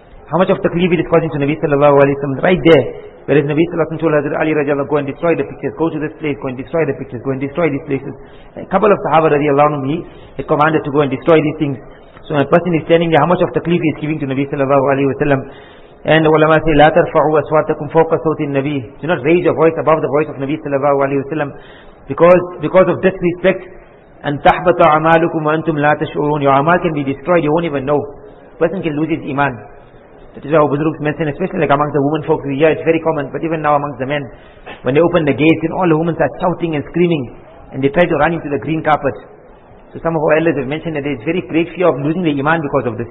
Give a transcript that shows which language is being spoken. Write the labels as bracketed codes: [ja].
[en] How much of takleef it is causing to Nabi sallallahu alayhi wa sallam right there. Whereas Nabi sallallahu alayhi wa sallam told Hazrat Ali, go and destroy the pictures, go to this place, go and destroy the pictures, go and destroy these places. A couple of Sahaba radiallahu anhu, he commanded to go and destroy these things. So a person is standing there, how much of takleef he is giving to Nabi sallallahu alayhi wa sallam. And the ulama say, [ar] لا ترفعوا أصواتكم فوق صوت النبي. [en] Do not raise your voice above the voice of Nabi sallallahu alayhi wa sallam. Because of disrespect, [ar] أن تحبط أعمالكم وأنتم لا تشعرون. [en] Your amal can be destroyed, you won't even know. Person can lose his iman. That is how Buzruks mentioned, especially like among the women folks. Yeah, it's very common, but even now amongst the men. When they open the gates, and all the women are shouting and screaming, and they try to run into the green carpet. So some of our elders have mentioned that there is very great fear of losing the iman because of this.